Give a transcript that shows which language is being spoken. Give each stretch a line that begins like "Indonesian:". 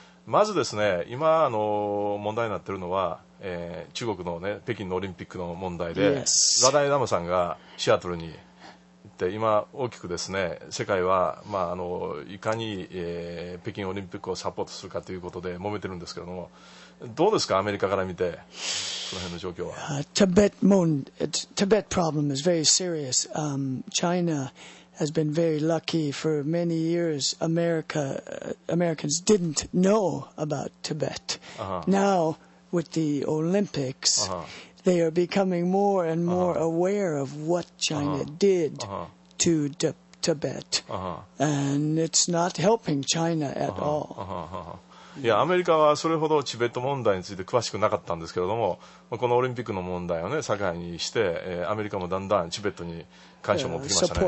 Japanese: まずですね、今あの問題になっているのは、中国の、ね、北京のオリンピックの問題で、ラダイ・ダマさんがシアトルに今大きくですね、世界は、まあ、あのいかに、北京オリンピックをサポートするかということで揉めてるんですけれども、どうですかアメリカから見てその辺の状況は。
English: Tibet problem is very serious. China has been very lucky for many years. Americans didn't know about Tibet. Now with the Olympics. They are becoming more and more aware of what China did to Tibet. And it's not helping China at all.
Japanese: いや、アメリカはそれほどチベット問題について詳しくなかったんですけれども、このオリンピックの問題をね、境にして、アメリカもだんだんチベットに関心を持ってきましたね。